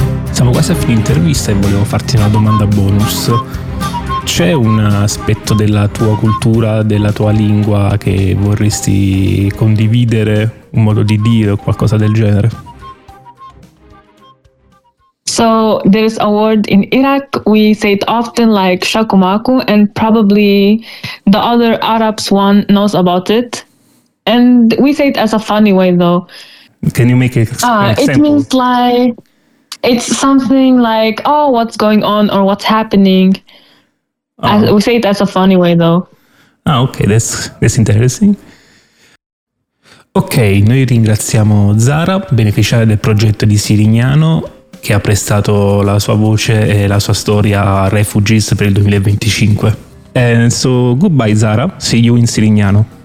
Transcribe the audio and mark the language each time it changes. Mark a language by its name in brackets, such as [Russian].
[Italian] Siamo quasi a fine intervista e volevo farti una domanda bonus. C'è un aspetto della tua cultura, della tua lingua che vorresti condividere, un modo di dire o qualcosa del genere? [English] So there is a word in Iraq, we say it often like shakumaku, and probably the other Arabs one knows about it. And we say it as a funny way though. Can you make an example? It means like, it's something like, oh, what's going on or what's happening. Oh. We say it as a funny way though. Ah, okay, that's interesting. [Italian] Okay, noi ringraziamo Zara, beneficiaria del progetto di Sirignano, che ha prestato la sua voce e la sua storia a Refugees per il 2025. [English] And so, goodbye Zara, see you in Sirignano.